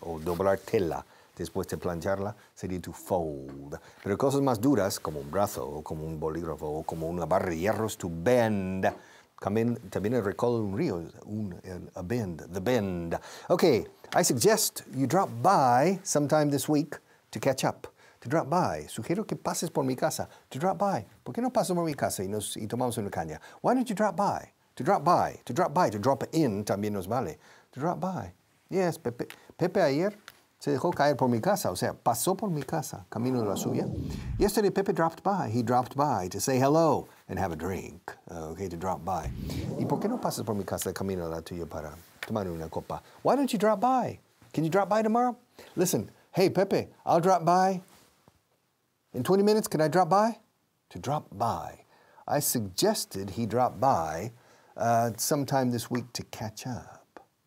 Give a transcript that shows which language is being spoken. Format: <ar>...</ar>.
<es>O doblar tela, después de plancharla, sería to fold. Pero cosas más duras, como un brazo, o como un bolígrafo, o como una barra de hierros, to bend. También el recodo de un río, a bend, the bend.</es> <en>Okay, I suggest you drop by sometime this week to catch up.</en> <es>To drop by, sugiero que pases por mi casa. To drop by, ¿por qué no pasas por mi casa y tomamos una caña?</es> <en>Why don't you drop by? To drop by, to drop in</en> <es>también nos vale.</es> <en>To drop by.</en> <es>Yes, Pepe ayer se dejó caer por mi casa, o sea, pasó por mi casa, camino de la suya.</es> <en>Yesterday, Pepe dropped by. He dropped by to say hello and have a drink. Okay, to drop by.</en> <es>¿Y por qué no pasas por mi casa de camino de la tuya para tomar una copa?</es> <en>Why don't you drop by? Can you drop by tomorrow? Listen, hey, Pepe, I'll drop by In 20 minutes, can I drop by? To drop by. I suggested he drop by sometime this week to catch up.</en>